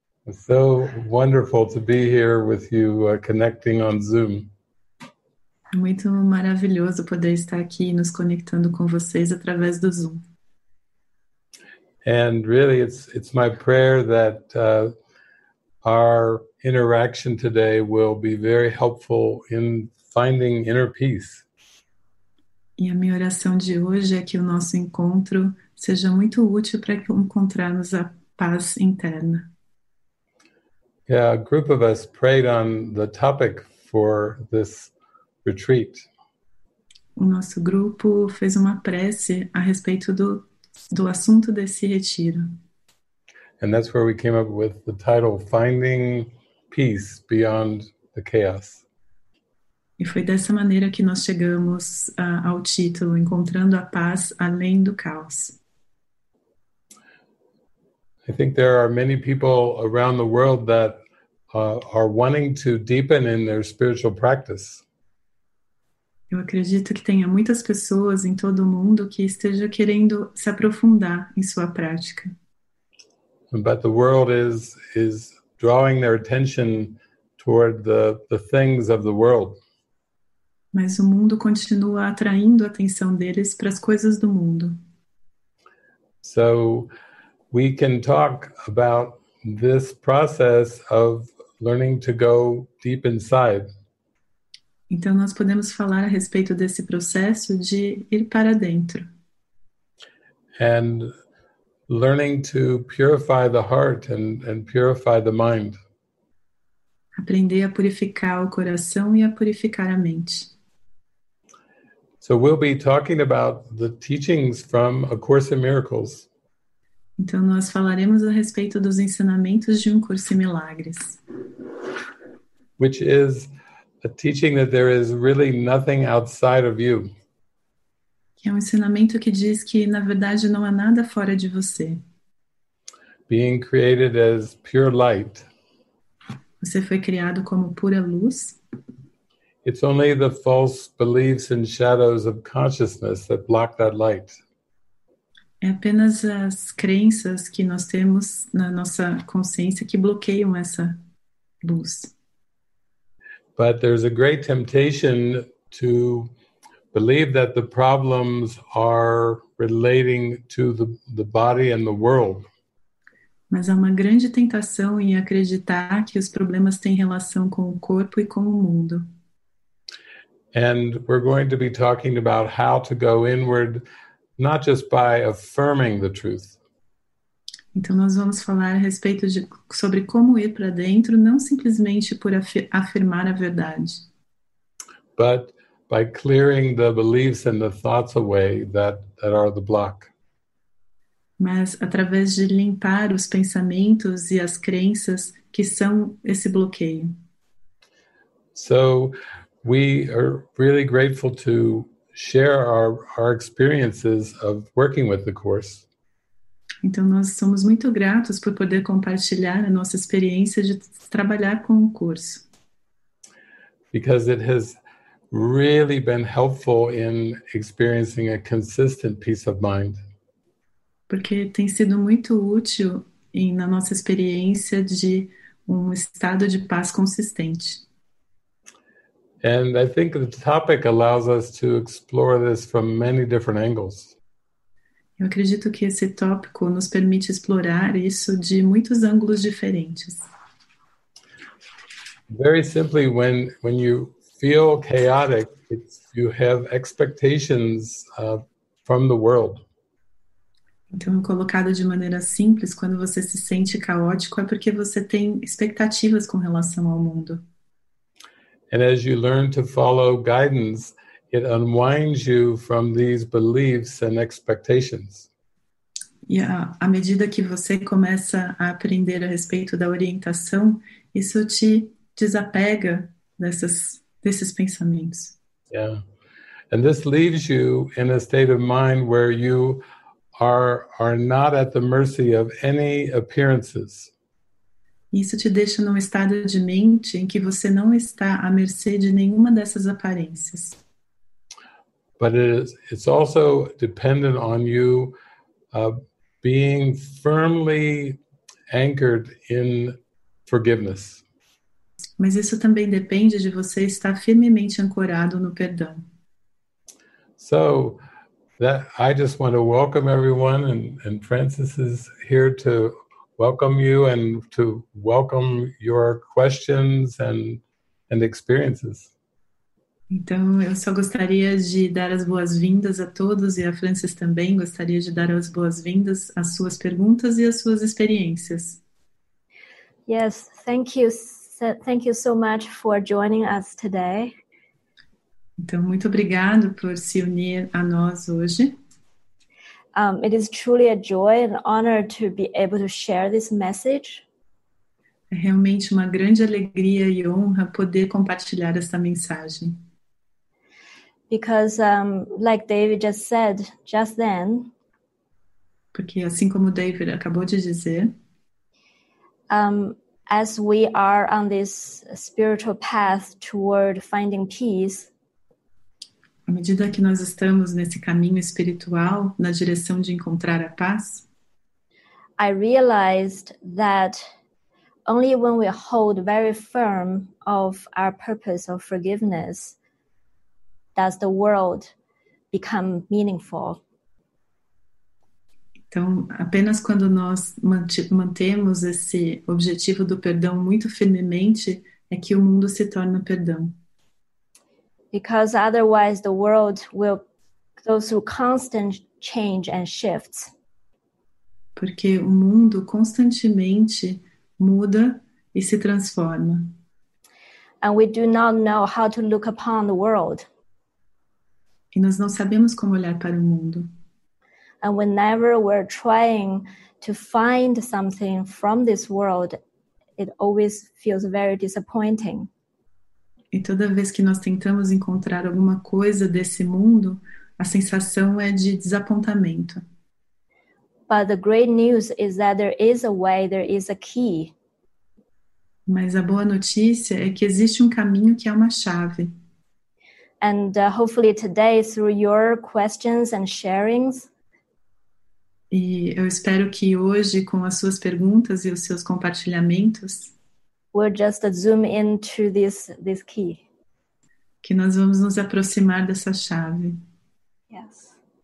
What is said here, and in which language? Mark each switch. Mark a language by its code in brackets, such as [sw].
[en] So wonderful to be here with you connecting on Zoom. [pt] Muito maravilhoso poder estar aqui nos conectando com vocês através do Zoom. [en] And really, it's my prayer that our interaction today will be very helpful in finding inner peace. [pt] E a minha oração de hoje é que o nosso encontro seja muito útil para que encontrarmos a paz interna. [en] Yeah, a group of us prayed on the topic for this retreat. [pt] O nosso grupo fez uma prece a respeito do assunto desse retiro. [en] And that's where we came up with the title, Finding Peace Beyond the Chaos. [pt] E foi dessa maneira que nós chegamos ao título, Encontrando a Paz Além do Caos. [en] I think there are many people around the world that are wanting to deepen in their spiritual practice. [pt] Eu acredito que tenha muitas pessoas em todo o mundo que estejam querendo se aprofundar em sua prática. [en] But the world is drawing their attention toward the things of the world. [pt] Mas o mundo continua atraindo a atenção deles para as coisas do mundo. [en] So we can talk about this process of learning to go deep inside. [pt] Então nós podemos falar a respeito desse processo de ir para dentro. [en] And learning to purify the heart and purify the mind. [pt] Aprender a purificar o coração e a purificar a mente. [en] So we'll be talking about the teachings from A Course in Miracles. [pt] Então nós falaremos a respeito dos ensinamentos de Um Curso em Milagres. [en] Which is a teaching that there is really nothing outside of you. [pt] Que é um ensinamento que diz que, na verdade, não há nada fora de você. [en] Being created as pure light. [pt] Você foi criado como pura luz. [en] It's only the false beliefs and shadows of consciousness that block that light. [pt] É apenas as crenças que nós temos na nossa consciência que bloqueiam essa luz. [en] But there's a great temptation to believe that the problems are relating to the body and the world. [pt] Mas há uma grande tentação em acreditar que os problemas têm relação com o corpo e com o mundo. [en] And we're going to be talking about how to go inward, not just by affirming the truth. [pt] Então nós vamos falar a respeito de sobre como ir para dentro, não simplesmente por afirmar a verdade. [en] But by clearing the beliefs and the thoughts away that are the block. [pt] Mas através de limpar os pensamentos e as crenças que são esse bloqueio. [en] So we are really grateful to share our experiences of working with the course. [pt] Então nós somos muito gratos por poder compartilhar a nossa experiência de trabalhar com o curso. [en] Because it has really been helpful in experiencing a consistent peace of mind. [pt] Porque tem sido muito útil na nossa experiência de estado de paz consistente. [en] And I think the topic allows us to explore this from many different angles. [pt] Eu acredito que esse tópico nos permite explorar isso de muitos ângulos diferentes. [en] Very simply, when you feel chaotic, you have expectations from the world. [pt] Então, colocado de maneira simples, quando você se sente caótico, é porque você tem expectativas com relação ao mundo. [en] And as you learn to follow guidance, it unwinds you from these beliefs and expectations. [pt] À medida que você começa a aprender a respeito da orientação, isso te desapega desses pensamentos. [en] Yeah. And this leaves you in a state of mind where you are not at the mercy of any appearances. [pt] Isso te deixa num estado de mente em que você não está à mercê de nenhuma dessas aparências. [en] But it's also dependent on you being firmly anchored in forgiveness. [pt] Mas isso também depende de você estar firmemente ancorado no perdão. [en] So, I just want to welcome everyone, and Francis is here to welcome you and to welcome your questions and experiences. [pt] Então, eu só gostaria de dar as boas-vindas a todos e a Francis também gostaria de dar as boas-vindas às suas perguntas e às suas experiências. [en] Yes, thank you so much for joining us today. [pt] Então, muito obrigado por se unir a nós hoje. [en] It is truly a joy and honor to be able to share this message. [pt] É realmente uma grande alegria e honra poder compartilhar esta mensagem. [en] Because, like David just said, just then. [pt] Porque assim como David acabou de dizer. [en] As we are on this spiritual path toward finding peace. [pt] À medida que nós estamos nesse caminho espiritual, na direção de encontrar a paz, [en] I realized that only when we hold very firm of our purpose of forgiveness does the world become meaningful. [pt] Então, apenas quando nós mantemos esse objetivo do perdão muito firmemente, é que o mundo se torna perdão. [en] Because otherwise the world will go through constant change and shifts. [pt] Porque o mundo constantemente muda e se transforma. [en] And we do not know how to look upon the world. [pt] E nós não sabemos como olhar para o mundo. [en] And whenever we're trying to find something from this world, it always feels very disappointing. [pt] E toda vez que nós tentamos encontrar alguma coisa desse mundo, a sensação é de desapontamento. [en] But the great news is that there is a way, there is a key. [pt] Mas a boa notícia é que existe um caminho que é uma chave. [en] And hopefully today, through your questions and sharings, [pt] E eu espero que hoje, com as suas perguntas e os seus compartilhamentos, [en] we'll just zoom into this key. [pt] que nós vamos nos aproximar dessa chave. [en] Yes.